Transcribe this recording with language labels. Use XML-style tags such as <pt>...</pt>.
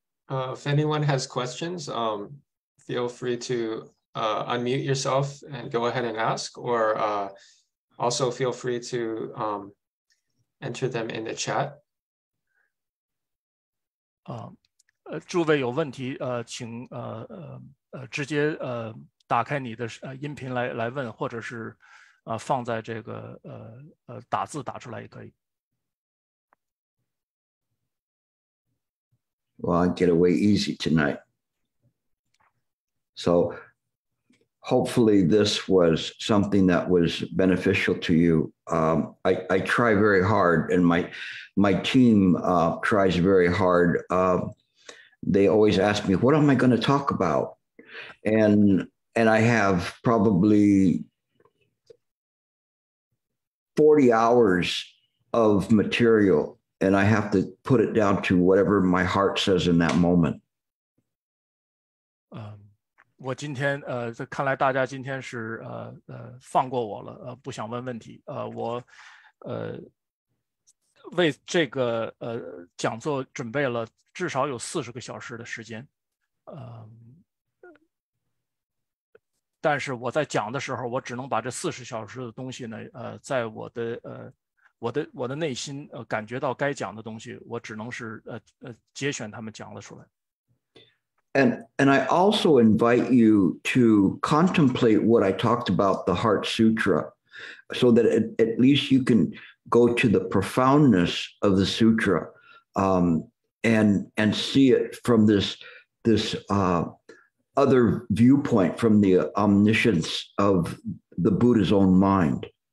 <en>If anyone has questions, feel free to unmute yourself and go ahead and ask, or also feel free to enter them in the chat.</en> <zh>诸位有问题，请直接打开你的音频来问，或者是放在这个打字打出来也可以。</zh> <en>Well, I get away easy tonight. So hopefully this was something that was beneficial to you. I try very hard, and my team tries very hard. They always ask me, what am I going to talk about? And I have probably 40 hours of material, and I have to put it down to whatever my heart says in that moment.</en> <zh>我今天这看来大家今天是放过我了，不想问问题。我为这个讲座准备了至少有40个小时的时间。但是我在讲的时候，我只能把这40小时的东西呢，在我的内心感觉到该讲的东西，我只能是节选他们讲了出来。</zh> <en>And I also invite you to contemplate what I talked about, the Heart Sutra, so that at least you can go to the profoundness of the sutra, and see it from this other viewpoint, from the omniscience of the Buddha's own mind.</en>